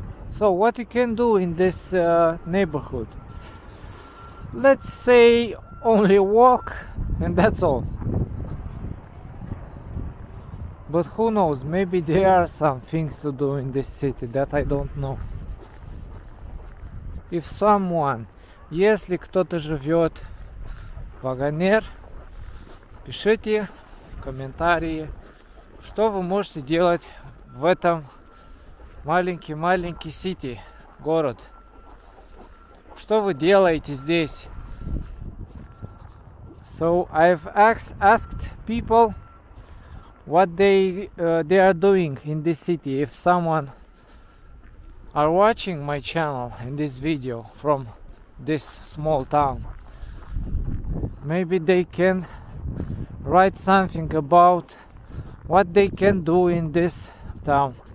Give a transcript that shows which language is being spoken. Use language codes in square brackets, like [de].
[en] So what you can do in this neighborhood? Let's say only walk, and that's all. But who knows, maybe there are some things to do in this city that I don't know. If someone, [ru] если кто-то живет в Оганер, пишите в комментарии, что вы можете делать в этом маленький-маленький сити, город. Что вы делаете здесь? [en] So I've asked people what they are doing in this city. If someone are watching my channel in this video from this small town, maybe they can write something about what they can do in this town.